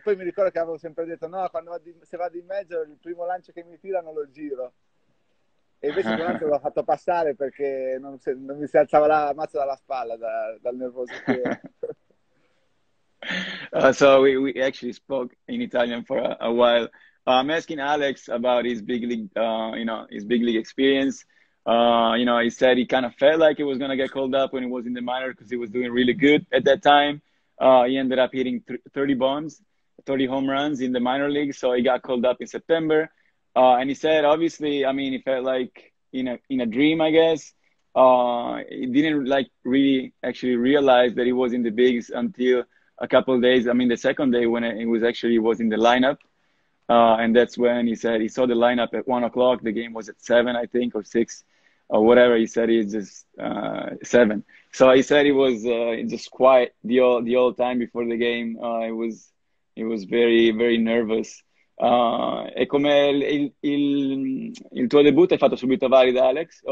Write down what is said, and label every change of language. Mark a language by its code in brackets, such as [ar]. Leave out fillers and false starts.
[it] Poi mi ricordo che avevo sempre detto, no, se vado in mezzo, il primo lancio che mi tirano lo giro. E invece il primo lancio l'ho fatto passare perché non mi si alzava la mazza dalla spalla, dal nervoso che ero. [en] So we actually spoke in Italian for a while. I'm asking Alex about his big league, his big league experience. He said he kind of felt like he was going to get called up when he was in the minor because he was doing really good at that time. He ended up hitting 30 home runs in the minor league, so he got called up in September. And he said, obviously, I mean, he felt like in a dream, I guess. He didn't like really actually realize that he was in the bigs until a couple of days. I mean, the second day when he was in the lineup, and that's when he said he saw the lineup at 1 o'clock. The game was at 7, I think, or 6, or whatever. He said it's just 7. So he said he was just quiet the whole time before the game. It was very, very nervous. [it] E come il tuo debutto è fatto subito valido, Alex?